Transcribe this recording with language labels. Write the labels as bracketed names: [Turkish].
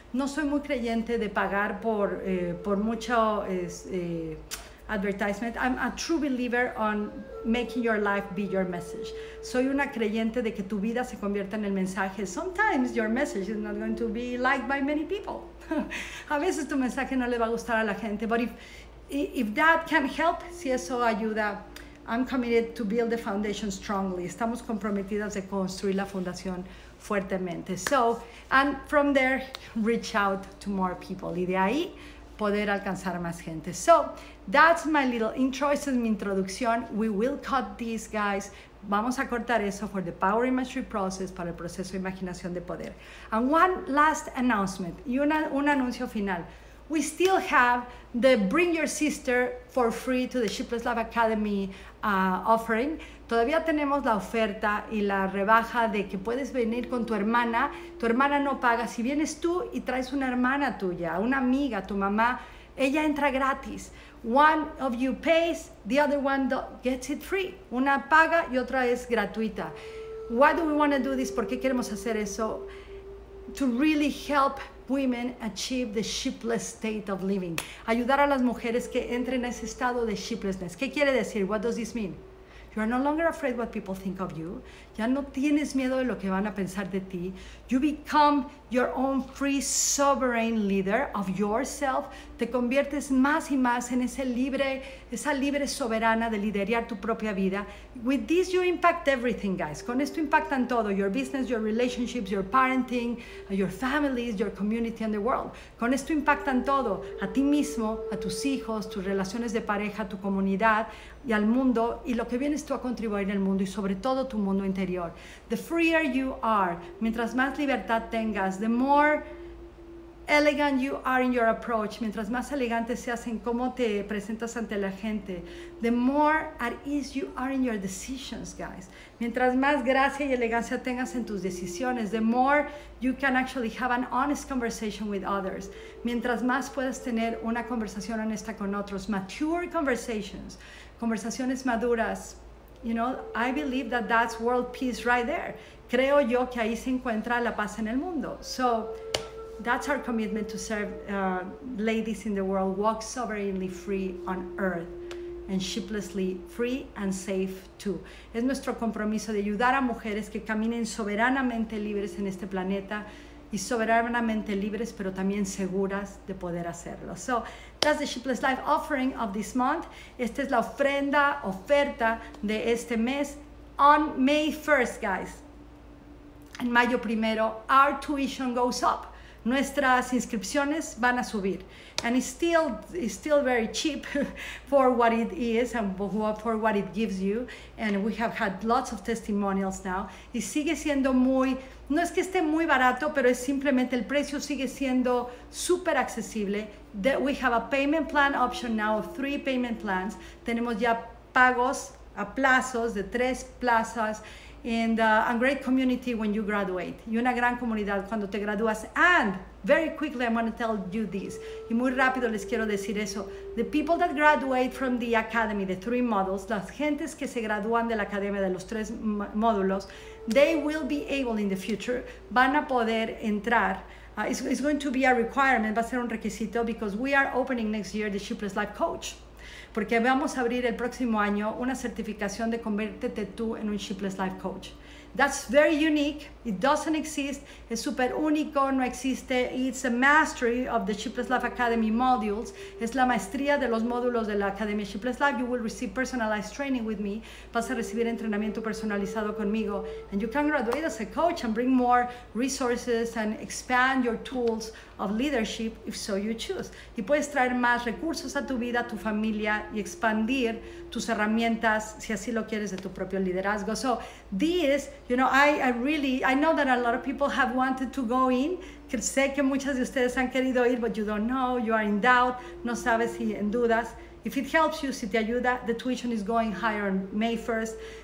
[Spanish] No soy muy creyente de pagar por mucho advertisement. [English] I'm a true believer on making your life be your message. [Spanish] Soy una creyente de que tu vida se convierta en el mensaje. [English] Sometimes your message is not going to be liked by many people. [Spanish] A veces tu mensaje no le va a gustar a la gente, [English] but if that can help, [Spanish] si eso ayuda, [English] I'm committed to build the foundation strongly. [Spanish] Estamos comprometidas de construir la fundación fuertemente. [English] So, and from there, reach out to more people. [Spanish] Y de ahí, poder alcanzar a más gente. [English] So, that's my little intro. [Spanish] Esa es mi introducción. [English] We will cut this, guys. [Spanish] Vamos a cortar eso [English] for the Power Imagery Process, [Spanish] para el proceso de imaginación de poder. [English] And one last announcement. [Spanish] Y un anuncio final. [English] We still have the Bring Your Sister for free to the Sheepless Lab Academy offering. [Spanish] Todavía tenemos la oferta y la rebaja de que puedes venir con tu hermana. Tu hermana no paga. Si vienes tú y traes una hermana tuya, una amiga, tu mamá, ella entra gratis. [English] One of you pays, the other one gets it free. [Spanish] Una paga y otra es gratuita. [English] Why do we want to do this? [Spanish] ¿Por qué queremos hacer eso? [English] To really help women achieve the shipless state of living. [Spanish] Ayudar a las mujeres que entren a ese estado de shiplessness. ¿Qué quiere decir? [English] What does this mean? You are no longer afraid what people think of you. [Spanish] Ya no tienes miedo de lo que van a pensar de ti. [English] You become your own free, sovereign leader of yourself. [Spanish] Te conviertes más y más en esa libre soberana de liderar tu propia vida. [English] With this, you impact everything, guys. [Spanish] Con esto impactan todo. [English] Your business, your relationships, your parenting, your families, your community and the world. [Spanish] Con esto impactan todo. A ti mismo, a tus hijos, tus relaciones de pareja, tu comunidad y al mundo. Y lo que vienes tú a contribuir en el mundo y sobre todo tu mundo interior. [English] The freer you are, [Spanish] mientras más libertad tengas, [English] the more elegant you are in your approach, [Spanish] mientras más elegante seas en cómo te presentas ante la gente, [English] the more at ease you are in your decisions, guys. [Spanish] Mientras más gracia y elegancia tengas en tus decisiones, [English] the more you can actually have an honest conversation with others. [Spanish] Mientras más puedas tener una conversación honesta con otros, [English] mature conversations, [Spanish] conversaciones maduras, [English] you know, I believe that that's world peace right there. [Spanish] Creo yo que ahí se encuentra la paz en el mundo. [English] So, that's our commitment to serve ladies in the world, walk sovereignly free on earth, and shiplessly free and safe too. [Spanish] Es nuestro compromiso de ayudar a mujeres que caminen soberanamente libres en este planeta y soberanamente libres, pero también seguras de poder hacerlo. [English] So, that's the Sheepless Life offering of this month. [Spanish] Esta es la oferta de este mes [English] on May 1st, guys. [Spanish] en mayo primero, [English] our tuition goes up. [Spanish] Nuestras inscripciones van a subir. [English] And it's still very cheap for what it is and for what it gives you. And we have had lots of testimonials now. [Spanish] Y sigue siendo muy, no es que esté muy barato, pero es simplemente el precio sigue siendo súper accesible. [English] We have a payment plan option now of 3 payment plans. [Spanish] Tenemos ya pagos a plazos de 3 plazas. [English] And a great community when you graduate. [Spanish] Y una gran comunidad cuando te gradúas. [English] And very quickly, I'm going to tell you this. [Spanish] Y muy rápido les quiero decir eso. [English] The people that graduate from the academy, the 3 modules, [Spanish] las gentes que se gradúan de la academia de los 3 módulos, [English] they will be able in the future, [Spanish] van a poder entrar. [English] It's going to be a requirement, [Spanish] va a ser un requisito, [English] because we are opening next year the Sheepless Life Coach. [Spanish] Porque vamos a abrir el próximo año una certificación de conviértete tú en un Sheepless Life Coach. [English] That's very unique. It doesn't exist. [Spanish] Es súper único. No existe. [English] It's a mastery of the Sheepless Life Academy modules. [Spanish] Es la maestría de los módulos de la Academia Sheepless Life. [English] You will receive personalized training with me. [Spanish] Vas a recibir entrenamiento personalizado conmigo. [English] And you can graduate as a coach and bring more resources and expand your tools of leadership if so you choose. [Spanish] Y puedes traer más recursos a tu vida, a tu familia y expandir tus herramientas si así lo quieres de tu propio liderazgo. [English] So this, you know, I know that a lot of people have wanted to go in. [Spanish] Que sé que muchas de ustedes han querido ir, [English] but you don't know, you are in doubt, [Spanish] no sabes si en dudas. [English] If it helps you, [Spanish] si te ayuda, [English] the tuition is going higher on May 1st.